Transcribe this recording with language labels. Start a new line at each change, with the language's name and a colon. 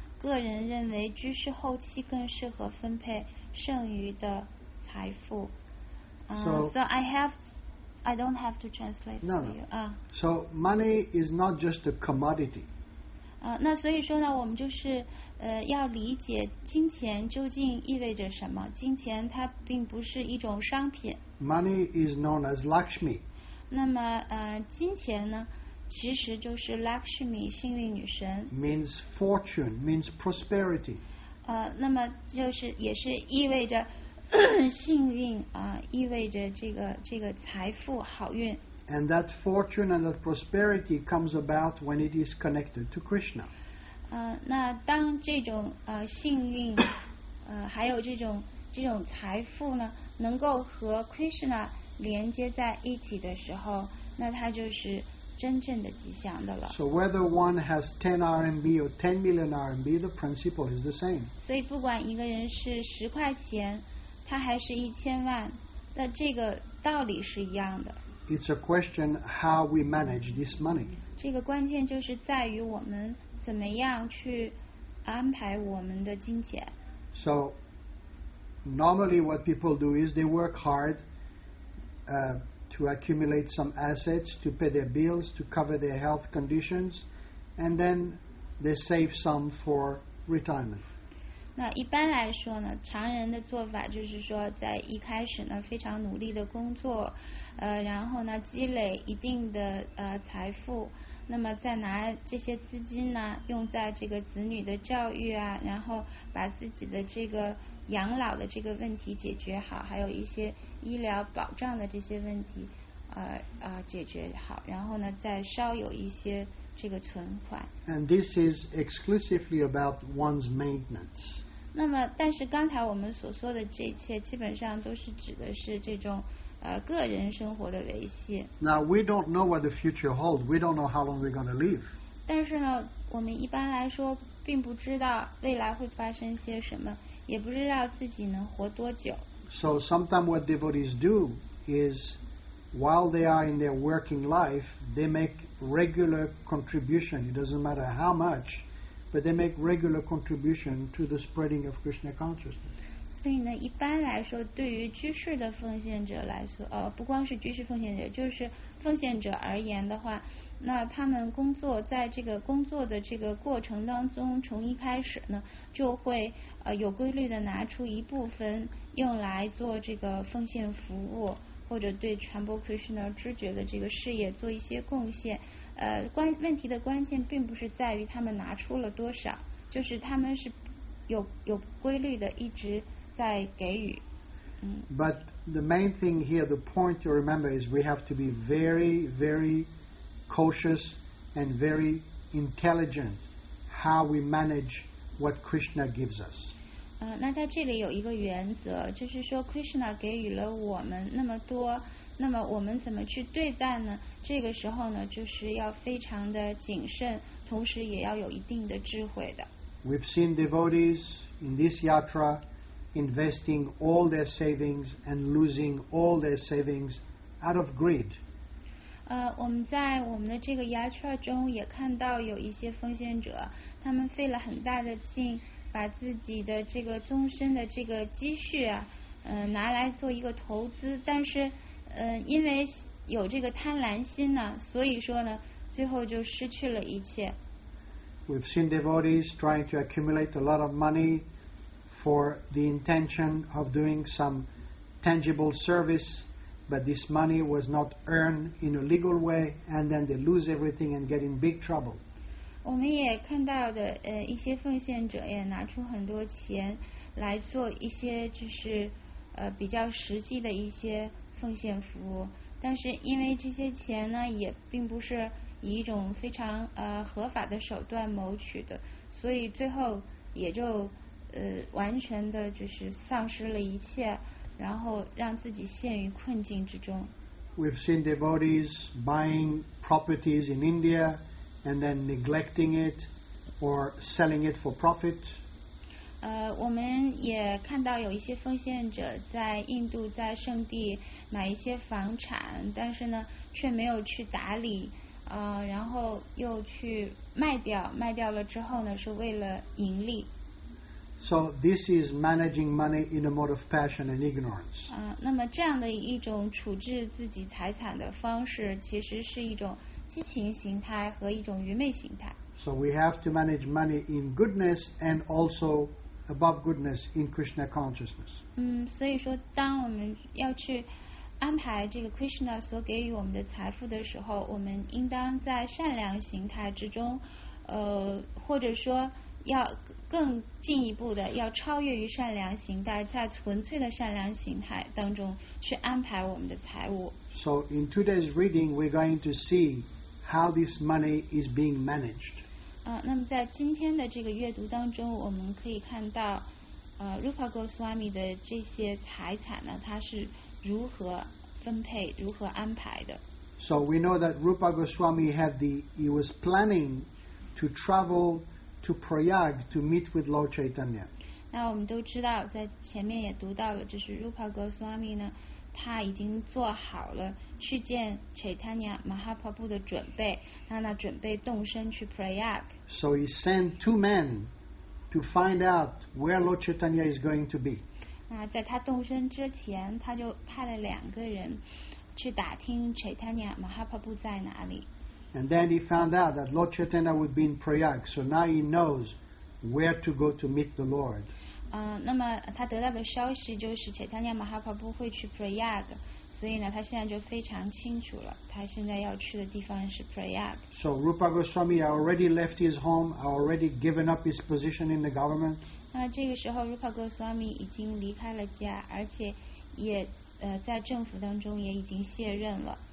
Chinese: 个人认为居士后期更适合分配剩余的财富。
English: So I don't have to translate for you. So money is not just a commodity.
Chinese: 那所以说呢，我们就是要理解金钱究竟意味着什么。金钱它并不是一种商品。
English: Money is known as Lakshmi.
Chinese: 那么金钱呢，其实就是 Lakshmi 幸运女神。
English: Means fortune, means prosperity.
Chinese: 那么就是也是意味着。幸运啊，意味着这个财富好运。
English: And that fortune and that prosperity comes about when it is connected to Krishna.
Chinese: 那当这种幸运，还有这种财富呢，能够和 Krishna 连接在一起的时候，那它就是真正的吉祥的了。
English: So whether one has 10 RMB or 10 million RMB, the principle is the same.
Chinese: 所以不管一个人是十块钱。它还是一千万，那这个道理是一样的。
English: It's a question how we manage this money.
Chinese: 这个关键就是在于我们怎么样去安排我们的金钱。
English: So, normally what people do is they work hard to accumulate some assets to pay their bills, to cover their health conditions, and then they save some for retirement.
Chinese: 那一般来说呢，常人的做法就是说，在一开始呢非常努力的工作，然后呢积累一定的财富，那么再拿这些资金呢用在这个子女的教育啊，然后把自己的这个养老的这个问题解决好，还有一些医疗保障的这些问题，解决好，然后呢再稍有一些。这个存款。
English: And this is exclusively about one's maintenance.
Chinese: 那么，但是刚才我们所说的这一切，基本上都是指的是这种个人生活的维系。
English: Now we don't know what the future holds. We don't know how long we're going to live.
Chinese: 但是呢，我们一般来说并不知道未来会发生些什么，也不知道自己能活多久。
English: So sometimes what devotees do is, while they are in their working life, they make regular contribution. It doesn't matter how much, but they make regular contribution to the spreading of Krishna consciousness.
Chinese: 所以呢，一般来说，对于居士的奉献者来说，不光是居士奉献者，就是奉献者而言的话，那他们工作在这个工作的这个过程当中，从一开始呢，就会有规律的拿出一部分用来做这个奉献服务。或者对传播 Krishna 知觉的这个事业做一些贡献，问题的关键并不是在于他们拿出了多少，就是他们是有规律的一直在给予。
English: But the main thing here, the point to remember is we have to be very, very cautious and very intelligent how we manage what Krishna gives us.
Chinese: 那在这里有一个原则，就是说 Krishna 给予了我们那么多，那么我们怎么去对待呢？这个时候呢，就是要非常的谨慎，同时也要有一定的智慧的。
English: We've seen devotees in this yatra investing all their savings and losing all their savings out of greed.
Chinese: 我们在我们的这个牙圈中也看到有一些奉献者，他们费了很大的劲，把自己的这个终身的这个积蓄啊，拿来做一个投资，但是，因为有这个贪婪心呢，所以说呢，最后就失去了一切。
English: We've seen devotees trying to accumulate a lot of money for the intention of doing some tangible service, but this money was not earned in a legal way, and then they lose everything and get in big trouble.
Chinese: 我们也看到的，一些奉献者也拿出很多钱来做一些就是比较实际的一些奉献服务，但是因为这些钱呢也并不是以一种非常合法的手段谋取的，所以最后也就完全的就是丧失了一切，然后让自己陷于困境之中。
English: We've seen devotees buying properties in India and then neglecting it or selling it for profit.
Chinese: 我们也看到有一些奉献者在印度在圣地买一些房产，但是呢却没有去打理，然后又去卖掉了之后呢是为了盈利。
English: So this is managing money in a mode of passion and ignorance.
Chinese: 那么这样的一种处置自己财产的方式其实是一种激情形态和一种愚昧形态。
English: So we have to manage money in goodness and also above goodness in Krishna consciousness.
Chinese: 所以说当我们要去安排这个 Krishna 所给予我们的财富的时候，我们应当在善良形态之中，或者说要更进一步的，要超越于善良形态，在纯粹的善良形态当中去安排我们的财务。
English: So in today's reading, we're going to see how this money is being managed.
Chinese: 那么在今天的这个阅读当中，我们可以看到，Rupa Goswami 的这些财产呢，它是如何分配，如何安排的。
English: So we know that Rupa Goswami he was planning to travel to Prayag to meet with Lord Chaitanya.
Chinese: 那我们都知道，在前面也读到了，就是 Rupa Goswami 呢，他已经做好了去见 Chaitanya Mahaprabhu 的准备，他呢准备动身去 Prayag.
English: So he sent two men to find out where Lord Chaitanya is going to be.
Chinese: 那在他动身之前，他就派了两个人去打听 Chaitanya Mahaprabhu 在哪里。
English: And then he found out that Lord Chaitanya would be in Prayag, so now he knows where to go to meet the Lord.
Chinese: 那么他得到的消息就是 Chaitanya Mahaprabhu 会去 Prayag, 所以呢，他现在就非常清楚了，他现在要去的地方是 Prayag.
English: So Rupa Goswami already left his home, already given up his position in the government.
Chinese: 那这个时候 Rupa Goswami 已经离开了家，而且也在政府当中也已经卸任了。